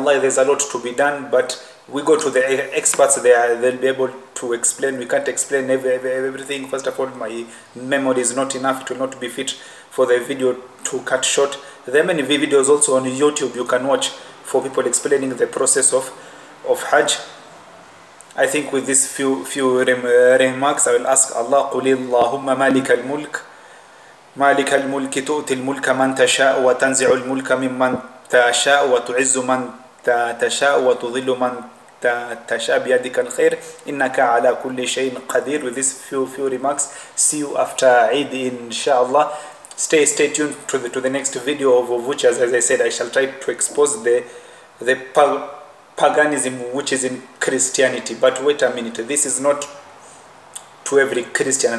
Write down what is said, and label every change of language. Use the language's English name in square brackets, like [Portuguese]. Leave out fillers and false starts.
[English] Allah, there's a lot to be done, but we go to the experts there, they'll be able to explain. We can't explain everything. First of all, my memory is not enough, it will not be fit for the video to cut short. There are many videos also on YouTube you can watch for people explaining the process of Hajj. I think with these few remarks, I will ask Allah, [Arabic] قُلِ اللَّهُمَّ مَالِكَ الْمُلْكِ مَالِكَ الْمُلْكِ تُؤْتِي الْمُلْكَ مَنْ تَشَاءُ وَتَنْزِعُ الْمُلْكَ مِمَّنْ تَشَاءُ وَتُعِزُّ مَنْ تَشَاءُ وَتُذِلُّ مَنْ تَشَاءُ بِيَدِكَ الْخَيْرُ إِنَّكَ عَلَى كُلِّ شَيْءٍ قَدِيرٌ. [English] With these few remarks, see you after Eid, inshallah. Stay tuned to the next video of which, as I said, I shall try to expose the paganism which is in Christianity. But wait a minute, this is not to every Christian.